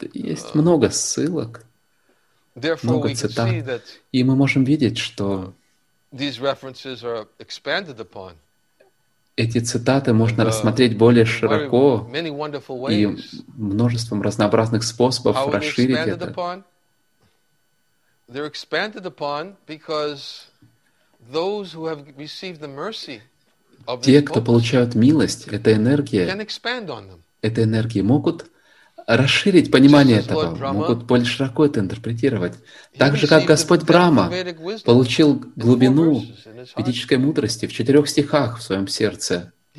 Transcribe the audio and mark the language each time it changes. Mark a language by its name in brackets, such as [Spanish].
[Russian] Есть много ссылок, много цитат. И мы можем видеть, что эти цитаты можно рассмотреть более широко и множеством разнообразных способов расширить это. [English] They're expanded upon because those who have received the mercy of [Russian] the этой энергии могут расширить понимание этого, могут более широко это интерпретировать. Так же, как Господь Брахма получил глубину ведической мудрости в 4 стихах в своем сердце.